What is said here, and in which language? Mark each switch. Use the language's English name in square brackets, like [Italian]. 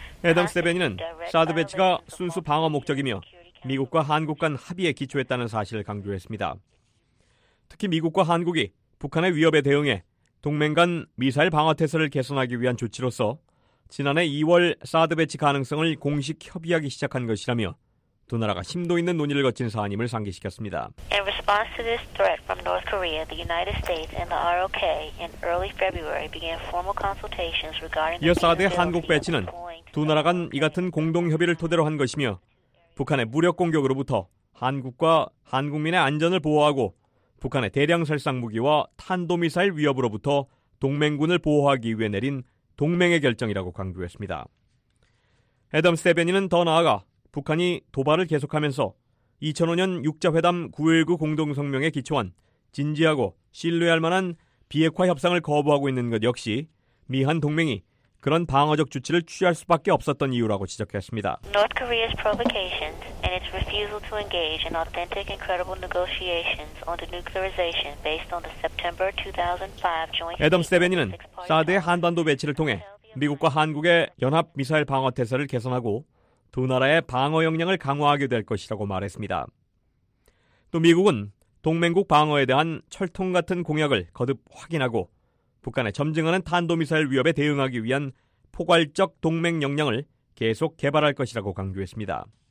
[Korean] 애덤스 대변인은 사드 배치가 순수 방어 목적이며 미국과 한국 간 합의에 기초했다는 사실을 강조했습니다. 특히 미국과 한국이 북한의 위협에 대응해 동맹 간 미사일 방어 태세를 개선하기 위한 조치로서 지난해 2월 사드 배치 가능성을 공식 협의하기 시작한 것이라며 두 나라가 심도 있는 논의를 거친 사안임을 상기시켰습니다. [English] In response to this threat from North Korea, the United States and the ROK in early February began formal consultations regarding the [Korean] 사드의 한국 배치는 두 나라 간 이 같은 공동 협의를 토대로 한 것이며 북한의 무력 공격으로부터 한국과 한국민의 안전을 보호하고 북한의 대량 살상 무기와 탄도미사일 위협으로부터 동맹군을 보호하기 위해 내린 동맹의 결정이라고 강조했습니다. 애덤스 대변인은 더 나아가 북한이 도발을 계속하면서 2005년 6자회담 9.19 공동성명에 기초한 진지하고 신뢰할 만한 비핵화 협상을 거부하고 있는 것 역시 미한 동맹이 그런 방어적 조치를 취할 수밖에 없었던 이유라고 지적했습니다. [English] North Korea's provocations and its refusal to engage in authentic and credible negotiations on denuclearization based on the September 2005 joint. [Korean] 애덤스 대변인은 사드의 한반도 배치를 통해 미국과 한국의 연합 미사일 방어 태세를 개선하고 두 나라의 방어 역량을 강화하게 될 것이라고 말했습니다. 또 미국은 동맹국 방어에 대한 철통 같은 공약을 거듭 확인하고 북한의 점증하는 탄도미사일 위협에 대응하기 위한 포괄적 동맹 역량을 계속 개발할 것이라고 강조했습니다.